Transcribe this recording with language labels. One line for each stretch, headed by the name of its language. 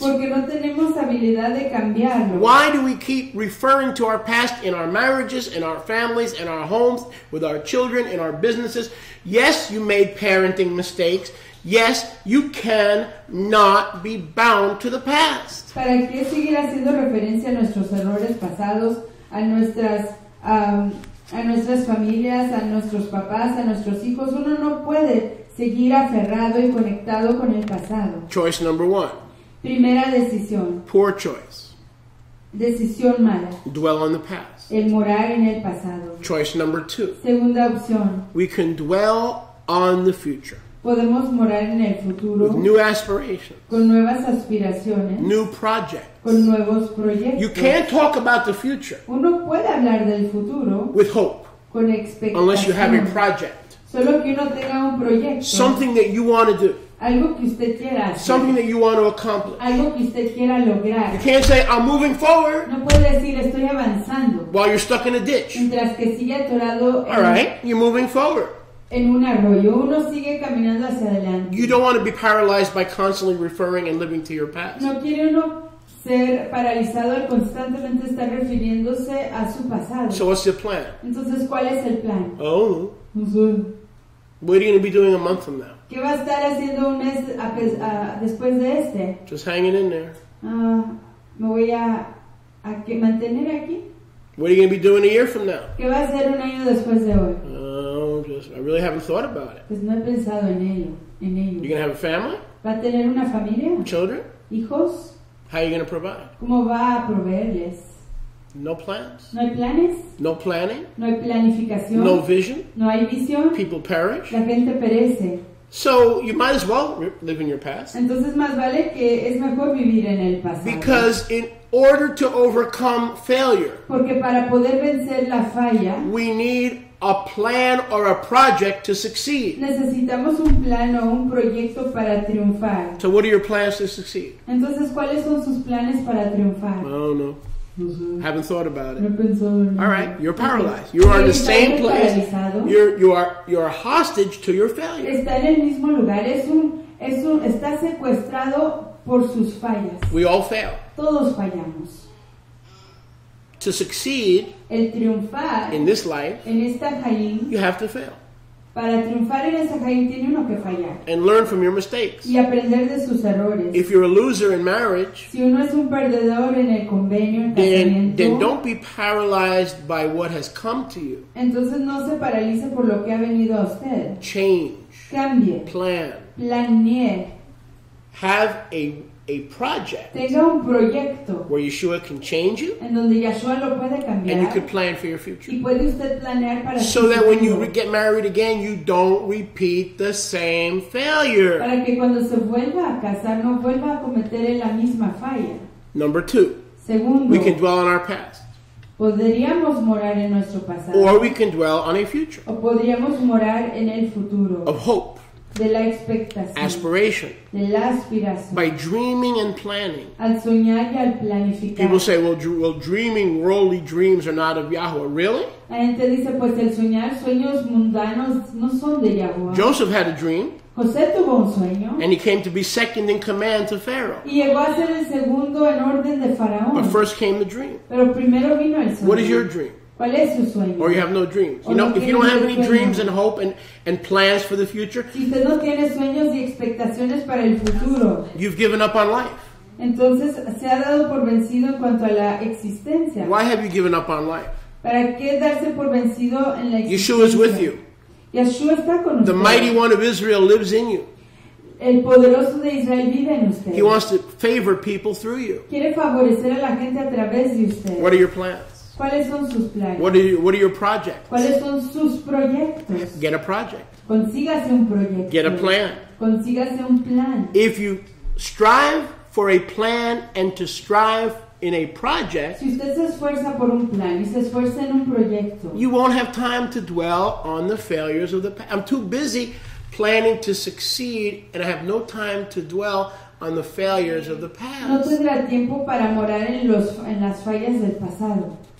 Spanish: Porque no tenemos habilidad de cambiarlo.
English: Why do we keep referring to our past in our marriages, in our families, in our homes, with our children, in our businesses? Yes, you made parenting mistakes. Yes, you cannot be bound to the past.
Spanish: ¿Para qué seguir haciendo referencia a nuestros errores pasados? A nuestras familias, a nuestros papás, a nuestros hijos. Uno no puede seguir aferrado y conectado con el pasado.
English: Choice number one.
Spanish: Primera decisión.
English: Poor choice.
Spanish: Decisión mala.
English: Dwell on the past.
Spanish: El morar en el pasado.
English: Choice number two.
Spanish: Segunda opción.
English: We can dwell on the future.
Spanish: Podemos morar en el futuro.
English: With new aspirations.
Spanish: Con nuevas aspiraciones.
English: New projects.
Spanish: Con nuevos proyectos.
English: You can't talk about the future.
Spanish: Uno puede hablar del futuro.
English: With hope.
Spanish: Con expectación.
English: Unless you have a project.
Spanish: Solo que uno tenga un proyecto.
English: Something that you want to do.
Spanish: Algo que usted quiera hacer.
English: Something that you want to accomplish.
Spanish: Algo que usted quiera lograr.
English: You can't say, I'm moving forward.
Spanish: No puede decir, estoy avanzando.
English: While you're stuck in a ditch.
Spanish: Mientras que sigue atorado.
English: All right, you're moving forward.
Spanish: En un arroyo, uno sigue caminando hacia adelante.
English: You don't want to be paralyzed by constantly referring and living to your past.
Spanish: No quiere uno ser paralizado al constantemente estar refiriéndose a su pasado.
English: So what's your plan?
Spanish: Entonces, ¿cuál es el plan? Oh. No sé.
English: What are you going to be doing a month from now?
Spanish: ¿Qué va a estar haciendo un mes después de este?
English: Just hanging in there.
Spanish: Me voy a que mantener aquí.
English: What are you going to be doing a year from now?
Spanish: ¿Qué va a hacer un año después de hoy?
English: I really haven't thought about it.
Spanish: Pues no he pensado en ello, en ello.
English: You're going to have a family?
Spanish: ¿Va a tener una familia?
English: Children?
Spanish: ¿Hijos?
English: How are you going to provide?
Spanish: ¿Cómo va a proveerles?
English: No plans.
Spanish: ¿No hay planes?
English: No planning.
Spanish: ¿No hay planificación?
English: No vision.
Spanish: ¿No hay visión?
English: People perish.
Spanish: La gente perece.
English: So you might as well live in your past.
Spanish: Entonces más vale que es mejor vivir en el pasado.
English: Because in order to overcome failure,
Spanish: porque para poder vencer la falla,
English: we need a plan or a project to succeed.
Spanish: Necesitamos un plan o un proyecto para triunfar.
English: So what are your plans to succeed?
Spanish: Entonces, ¿cuáles son sus planes para triunfar?
English: I don't know. Uh-huh. Haven't thought about it.
Spanish: No he pensado en
English: All right, you're paralyzed. Okay. You are in the same place. You're a hostage to your failure.
Spanish: Está en el mismo lugar. Está secuestrado por sus fallas.
English: We all fail.
Spanish: Todos fallamos.
English: To succeed
Spanish: el triunfar
English: in this life,
Spanish: en esta jaín,
English: you have to fail.
Spanish: Para triunfar en esta jaín, tiene uno que fallar.
English: And learn from your mistakes.
Spanish: Y aprender de sus errores.
English: If you're a loser in marriage,
Spanish: si uno es un perdedor en el convenio, en
English: casamiento, then don't be paralyzed by what has come to you.
Spanish: Entonces no se paralice por lo que ha venido a usted.
English: Change.
Spanish: Cambie.
English: Plan.
Spanish: Planee.
English: Have a project.
Spanish: Tenga un proyecto.
English: Where Yeshua can change you.
Spanish: En donde Yeshua lo puede cambiar.
English: And you can plan for your future.
Spanish: Y puede usted planear para
English: so that when you get married again, you don't repeat the same failure.
Spanish: Para que cuando se vuelva a casar, no vuelva a cometer la misma falla.
English: Number two.
Spanish: Segundo.
English: We can dwell on our past.
Spanish: Podríamos morar en nuestro pasado.
English: Or we can dwell on a future.
Spanish: O podríamos morar en el futuro.
English: Of hope.
Spanish: De la expectación.
English: Aspiration.
Spanish: De la aspiración.
English: By dreaming and planning.
Spanish: Al soñar y al planificar.
English: People say, well, dreaming worldly dreams are not of Yahuwah. Really?
Spanish: La gente dice, pues el soñar sueños mundanos no son de Yahuwah.
English: Joseph had a dream.
Spanish: José tuvo un sueño.
English: And he came to be second in command to Pharaoh.
Spanish: Y llegó a ser el segundo en orden de Faraón.
English: But first came the dream.
Spanish: Pero primero vino el sueño.
English: What is your dream?
Spanish: ¿Cuál es su sueño?
English: Or you have no dreams.
Spanish: O
English: you know,
Spanish: no
English: if you don't have any dreams and hope and plans for the future,
Spanish: si usted no tiene sueños y expectaciones para el futuro,
English: you've given up on life.
Spanish: Entonces, se ha dado por vencido en cuanto a la existencia.
English: Why have you given up on life?
Spanish: ¿Para qué darse por vencido en la existencia?
English: Yeshua is with you.
Spanish: Yeshua está con usted.
English: The mighty one of Israel lives in you.
Spanish: El poderoso de Israel vive en usted.
English: He wants to favor people through you.
Spanish: Quiere favorecer a la gente a través de usted.
English: What are your plans?
Spanish: ¿Cuáles son sus planes?
English: What are your projects?
Spanish: ¿Cuáles son sus proyectos?
English: Get a project.
Spanish: Consígase un proyecto.
English: Get a plan.
Spanish: Consígase un plan.
English: If you strive for a plan and to strive in a project,
Spanish: si usted se esfuerza por un plan y se esfuerza en un proyecto,
English: you won't have time to dwell on the failures of the past. I'm too busy planning to succeed and I have no time to dwell on the failures of the past.
Spanish: No tendrá tiempo para morar en las fallas del pasado.